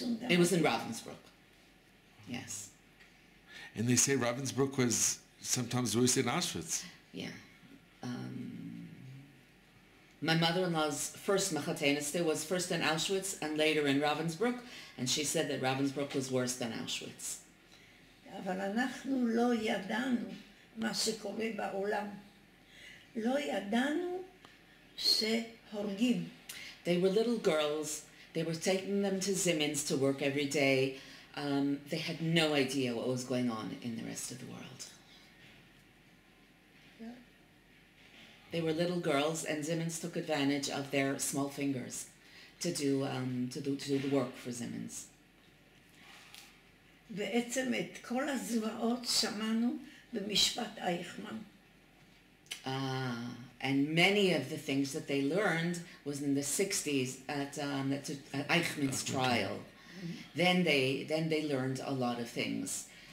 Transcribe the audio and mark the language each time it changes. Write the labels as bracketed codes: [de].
[en] It was in Ravensbrück, yes. And they say Ravensbrück was sometimes worse than Auschwitz. Yeah. My mother-in-law's first machatenaste was first in Auschwitz and later in Ravensbrück, and she said that Ravensbrück was worse than Auschwitz. [he] אבל אנחנו לא ידענו מה שקורה בעולם. לא ידענו שהורגים. [en] They were little girls. They were taking them to Zimmins to work every day. They had no idea what was going on in the rest of the world. They were little girls, and Zimmins took advantage of their small fingers to do the work for Zimmins. [he] בעצם את כל הזוועות שמענו במשפט אייכמן. [en] And many of the things that they learned was in the 60s at Eichmann's trial. Then they learned a lot of things.